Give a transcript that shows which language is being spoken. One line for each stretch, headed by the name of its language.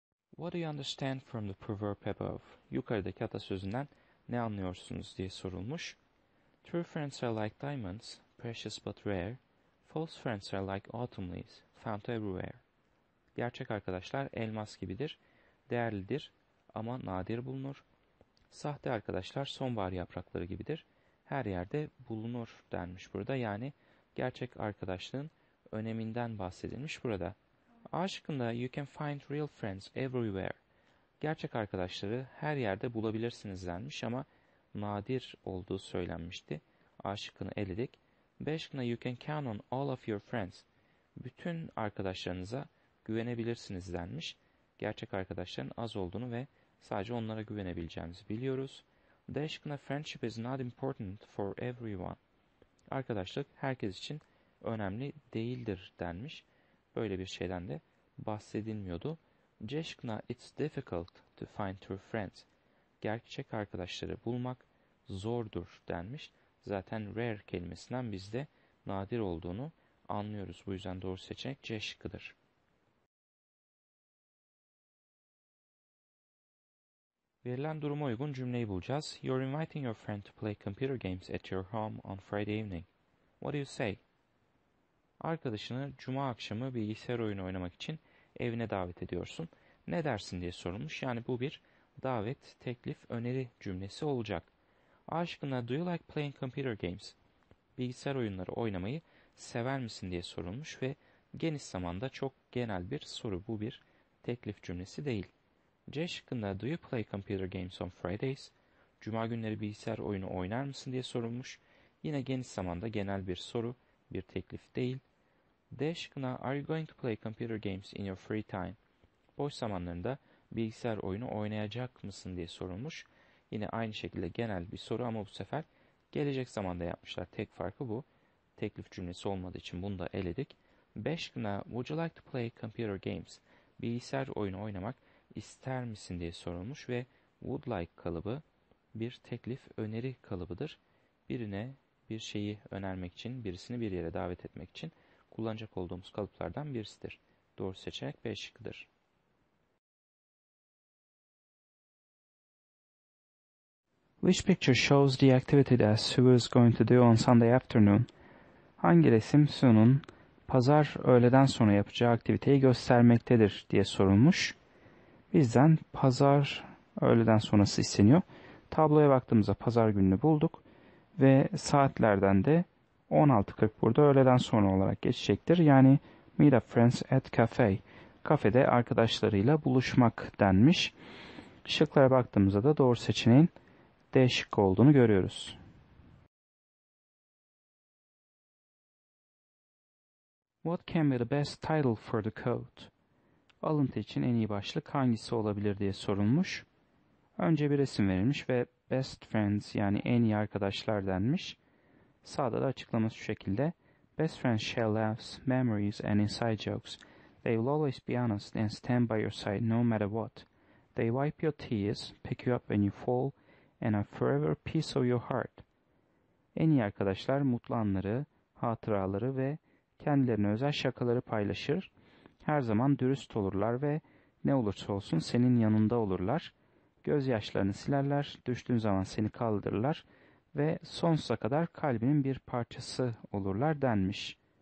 English: What do you understand from the proverb above?
Turkish: Yukarıdaki atasözünden ne anlıyorsunuz diye sorulmuş.
English: True friends are like diamonds, precious but rare. False friends are like autumn leaves, found everywhere.
Turkish: Gerçek arkadaşlar elmas gibidir, değerlidir ama nadir bulunur. Sahte arkadaşlar sonbahar yaprakları gibidir, her yerde bulunur denmiş burada. Yani gerçek arkadaşlığın öneminden bahsedilmiş burada. Aşkında
English: you can find real friends everywhere.
Turkish: Gerçek arkadaşları her yerde bulabilirsiniz denmiş ama nadir olduğu söylenmişti. Aşkını eledik. Beşkında
English: you can count on all of your friends.
Turkish: Bütün arkadaşlarınıza güvenebilirsiniz denmiş. Gerçek arkadaşların az olduğunu ve sadece onlara güvenebileceğimizi biliyoruz. Deşkına
English: friendship is not important for everyone.
Turkish: Arkadaşlık herkes için önemli değildir denmiş. Böyle bir şeyden de bahsedilmiyordu. Ceşkına
English: it's difficult to find true friends.
Turkish: Gerçek arkadaşları bulmak zordur denmiş. Zaten rare kelimesinden biz de nadir olduğunu anlıyoruz. Bu yüzden doğru seçenek C şıkkıdır. Verilen duruma uygun cümleyi bulacağız.
English: You're inviting your friend to play computer games at your home on Friday evening. What do you say?
Turkish: Arkadaşını cuma akşamı bilgisayar oyunu oynamak için evine davet ediyorsun. Ne dersin diye sorulmuş. Yani bu bir davet, teklif, öneri cümlesi olacak. Aşkına,
English: do you like playing computer games?
Turkish: Bilgisayar oyunları oynamayı sever misin diye sorulmuş ve geniş zamanda çok genel bir soru. Bu bir teklif cümlesi değil. C şıkkında
English: do you play computer games on Fridays?
Turkish: Cuma günleri bilgisayar oyunu oynar mısın diye sorulmuş. Yine geniş zamanda genel bir soru, bir teklif değil. D şıkkında
English: are you going to play computer games in your free time?
Turkish: Boş zamanlarında bilgisayar oyunu oynayacak mısın diye sorulmuş. Yine aynı şekilde genel bir soru ama bu sefer gelecek zamanda yapmışlar. Tek farkı bu. Teklif cümlesi olmadığı için bunu da eledik. B şıkkında
English: would you like to play computer games?
Turkish: Bilgisayar oyunu oynamak ister misin diye sorulmuş ve would like kalıbı bir teklif öneri kalıbıdır. Birine bir şeyi önermek için, birisini bir yere davet etmek için kullanacak olduğumuz kalıplardan birisidir. Doğru seçenek B şıkkıdır.
English: Which picture shows the activity that Sue is going to do on Sunday afternoon?
Turkish: Hangi resim Sue'nun pazar öğleden sonra yapacağı aktiviteyi göstermektedir diye sorulmuş. Bizden pazar öğleden sonrası isteniyor. Tabloya baktığımızda pazar gününü bulduk ve saatlerden de 16.40 burada öğleden sonra olarak geçecektir. Yani
English: meet up friends at cafe.
Turkish: Kafede arkadaşlarıyla buluşmak denmiş. Şıklara baktığımızda da doğru seçeneğin D şıkkı olduğunu görüyoruz.
English: What can be the best title for the coat?
Turkish: Alıntı için en iyi başlık hangisi olabilir diye sorulmuş. Önce bir resim verilmiş ve best friends yani en iyi arkadaşlar denmiş. Sağda da açıklaması şu şekilde.
English: Best friends share laughs, memories and inside jokes. They will always be honest and stand by your side no matter what. They wipe your tears, pick you up when you fall and are forever piece of your heart.
Turkish: En iyi arkadaşlar mutlu anları, hatıraları ve kendilerine özel şakaları paylaşır. Her zaman dürüst olurlar ve ne olursa olsun senin yanında olurlar. Gözyaşlarını silerler, düştüğün zaman seni kaldırırlar ve sonsuza kadar kalbinin bir parçası olurlar denmiş.